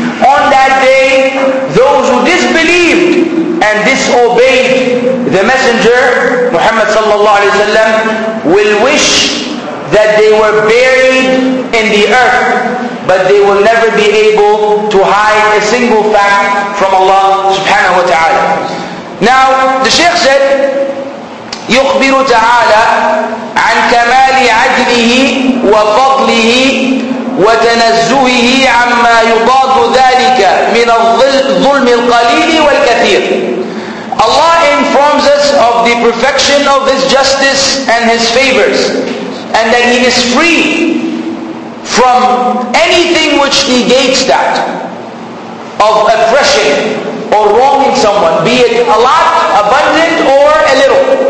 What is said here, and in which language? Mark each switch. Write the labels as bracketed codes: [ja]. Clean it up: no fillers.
[en] On that day, those who disbelieved and disobeyed the Messenger, Muhammad sallallahu alayhi wasallam, will wish that they were buried in the earth, but they will never be able to hide a single fact from Allah subhanahu wa ta'ala. Now, the Shaykh said, [ar] يخبر تعالى عن كمال عدله وفضله وتنزهه عما يضاد ذلك من الظلم القليل والكثير. [en] Allah informs us of the perfection of His justice and His favors, and that He is free from anything which negates that, of oppression or wronging someone, be it a lot, abundant, or a little.